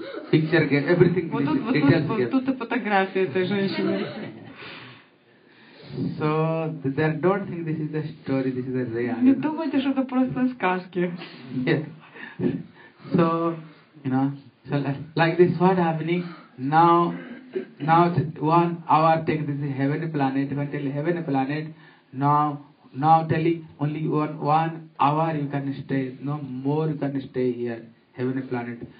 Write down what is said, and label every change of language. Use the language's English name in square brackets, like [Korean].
[Russian] Вот тут и фотография этой женщины. [English] So they don't think this is a story, this is a reality. [Russian] Не думайте, что это просто сказки. [English] Yeah. So, you know. So like this, what happening now? Now 1 hour take this heaven planet, but till heaven planet now telling only one hour you can stay, no more you can stay here heaven planet.